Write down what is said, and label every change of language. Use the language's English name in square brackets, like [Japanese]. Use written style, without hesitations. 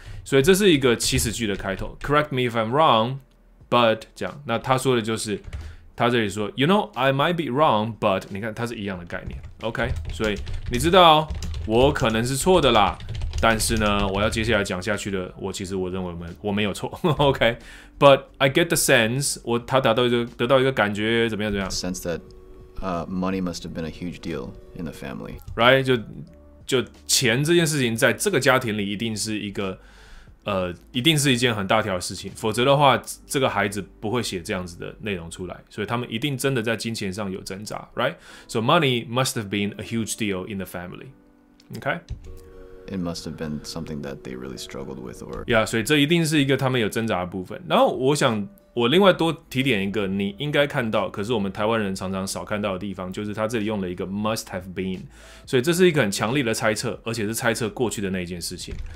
[Chinese] 所以这是一个祈使句的开头 ， [English] correct me if I'm wrong。 [Chinese] But 这样，那他说的就是，他这里说 ， [English] You know I might be wrong, but [Chinese] 你看，它是一样的概念 ，OK？所以你知道我可能是错的啦，但是呢，我要接下来讲下去的，我认为我没有错 ，OK？ [English] But I get the sense， [Chinese] 他得到一个感觉，怎么样 [English] ？Sense that money must have been a huge deal in the family, [Chinese] right？ 就钱这件事情，在这个家庭里一定是一个一定是一件很大条的事情，否则的话，这个孩子不会写这样子的内容出来。所以他们一定真的在金钱上有挣扎 ，right? [English] So money must have been a huge deal in the family. Okay? It must have been something that they really struggled with, or yeah. [Chinese] 所以这一定是一个他们有挣扎的部分。然后我想，我另外多提点一个，你应该看到，可是我们台湾人常常少看到的地方，就是他这里用了一个 must have been， 所以这是一个很强力的猜测，而且是猜测过去的那件事情。